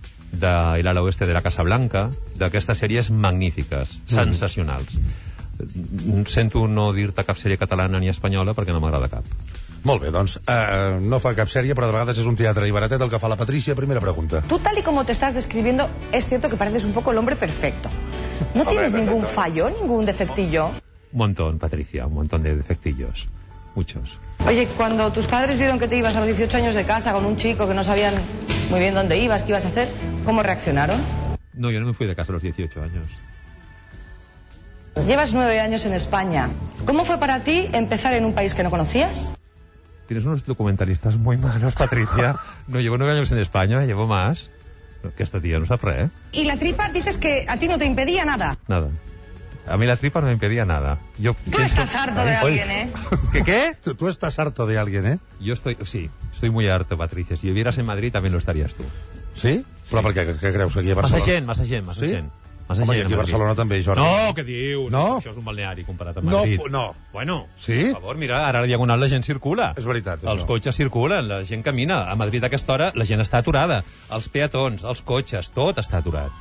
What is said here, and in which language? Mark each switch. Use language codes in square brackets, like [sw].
[ca] de l'ala oeste de la Casa Blanca, d'aquestes sèries magnífiques, sensacionals. Sento no dir-te cap sèrie catalana ni espanyola perquè no m'agrada cap. Molt bé, doncs no fa cap sèrie, però de vegades és un teatre i baratet el que fa la Patrícia. Primera pregunta. [es] Tú tal y como te estás describiendo, es cierto que pareces un poco el hombre perfecto. ¿No tienes ningún fallo, ningún defectillo? Un montón, Patricia, un montón de defectillos. Muchos. Oye, cuando tus padres vieron que te ibas a los 18 años de casa con un chico que no sabían muy bien dónde ibas, qué ibas a hacer, ¿cómo reaccionaron? No, yo no me fui de casa a los 18 años. Llevas 9 años en España. ¿Cómo fue para ti empezar en un país que no conocías? Tienes unos documentalistas muy malos, Patricia. No, llevo 9 años en España, llevo más. Que esta tía no sabe, ¿eh? Y la tripa, dices que a ti no te impedía nada. Nada. A mí la tripa no me impedía nada. Yo tú pienso... estás harto de alguien, ¿eh? ¿Qué? Tú estás harto de alguien, ¿eh? Yo estoy... Sí, estoy muy harto, Patricia. Si vivieras en Madrid, también lo estarías tú. ¿Sí? [ca] Però per què creus aquí a Barcelona? Massa gent. Massa home, gent, aquí a Barcelona també, Jordi. No, què dius? No? Això és un balneari comparat amb Madrid. No. Bueno, sí? Per favor, mira, ara a la Diagonal la gent circula. És veritat. Els cotxes circulen, la gent camina. A Madrid a aquesta hora la gent està aturada. Els peatons, els cotxes, tot està aturat.